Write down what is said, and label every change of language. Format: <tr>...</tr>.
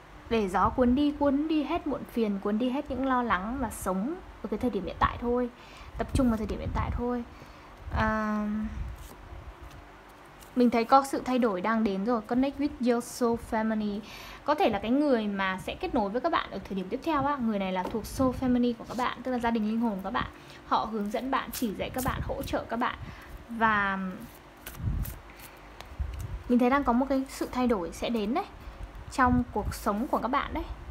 <vi>Để gió cuốn đi hết muộn phiền, cuốn đi hết những lo lắng và sống ở cái thời điểm hiện tại thôi. Tập trung vào thời điểm hiện tại thôi. Mình thấy có sự thay đổi đang đến rồi.</vi> <en>Connect with your soul family.</en> <vi>Có thể là cái người mà sẽ kết nối với các bạn ở thời điểm tiếp theo á, người này là thuộc soul family của các bạn, tức là gia đình linh hồn của các bạn. Họ hướng dẫn bạn, chỉ dạy các bạn, hỗ trợ các bạn. Và mình thấy đang có một cái sự thay đổi sẽ đến đấy trong cuộc sống của các bạn đấy.</vi>